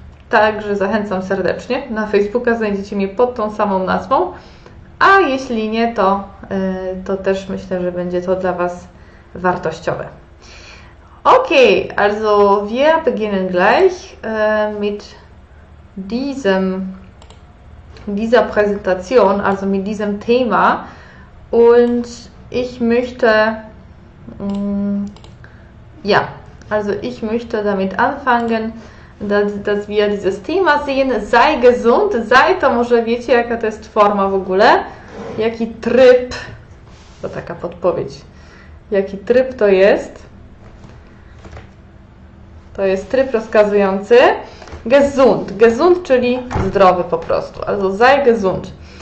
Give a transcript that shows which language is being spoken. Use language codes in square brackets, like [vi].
[pl] Także zachęcam serdecznie. Na Facebooka znajdziecie mnie pod tą samą nazwą. A jeśli nie, to też myślę, że będzie to dla Was wartościowe. [de] Okay, also wir beginnen gleich mit dieser Präsentation, also mit diesem Thema. Und ich möchte, ja, also ich möchte damit anfangen, dass wir dieses Thema sehen. Sei gesund, sei [pl] to może wiecie, jaka to jest forma w ogóle, jaki tryb, to taka podpowiedź, jaki tryb to jest. To jest tryb rozkazujący. Gesund, gesund, czyli zdrowy po prostu, [de] also sei gesund.